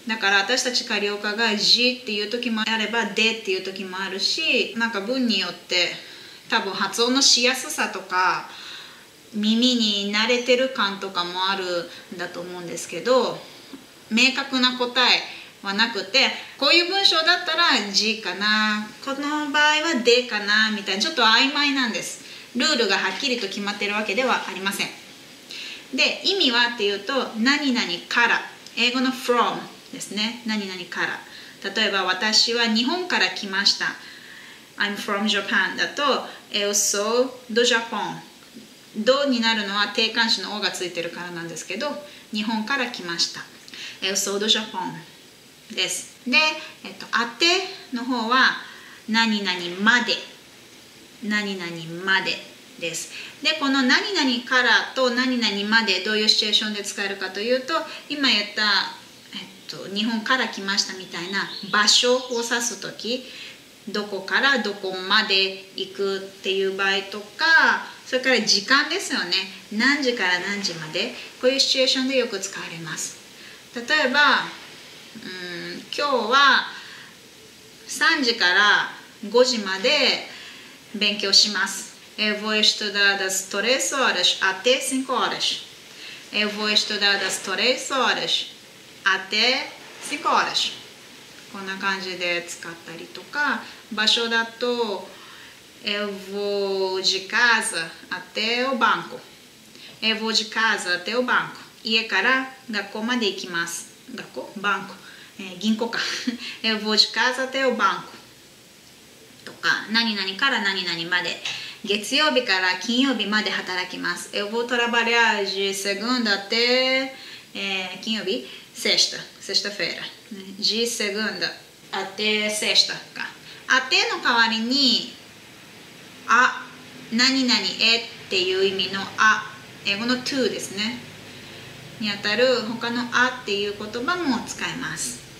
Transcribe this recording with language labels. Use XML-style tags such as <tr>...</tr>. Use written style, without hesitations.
<ja>だから私たちカリオカがじっていう時もあれば、でっていう時もあるし、なんか文によって多分発音のしやすさとか、耳に慣れてる感とかもあるんだと思うんですけど、明確な答えはなくて、こういう文章だったら G かな、この場合は D かなみたいな、ちょっと曖昧なんです。ルールがはっきりと決まってるわけではありません。で、意味はっていうと、何々から、英語の from ですね、何々から。例えば私は日本から来ました。</ja> <en>I'm from Japan</en> <ja>だと</ja> <pt>Eu sou do Japão。</pt> <ja>どうになるのは定冠詞の O がついてるからなんですけど、日本から来ました、</ja> <pt>Eu sou do Japão</pt> <ja>です。で、あての方は何々まで、何々までです。で、この何々からと何々まで、どういうシチュエーションで使えるかというと、今言った、日本から来ましたみたいな場所を指すとき、どこからどこまで行くっていう場合とか、それから時間ですよね、何時から何時まで、こういうシチュエーションでよく使われます。例えば、今日は3時から5時まで勉強します。</ja> <pt>Eu vou estudar das 3 horas até 5 horas。 Eu vou estudar das 3 horas até 5 horas。</pt> <ja>こんな感じで使ったりとか、場所だと</ja> <pt>Eu vou de casa até o banco。 Eu vou de casa até o banco。</pt> <ja>家から学校まで行きます。学校？バンク、銀行か。</ja> <pt>Eu vou de casa até o banco</pt> <ja>とか、何々から何々まで、月曜日から金曜日まで働きます。</ja> <pt>Eu vou trabalhar de segunda até 金曜日、sexta、 sexta-feira。 De segunda até sexta</pt> <ja>か。 até の代わりに、あ、何々へっていう意味のあ、英語の to ですね、にあたる他のあっていう言葉も使います。</ja>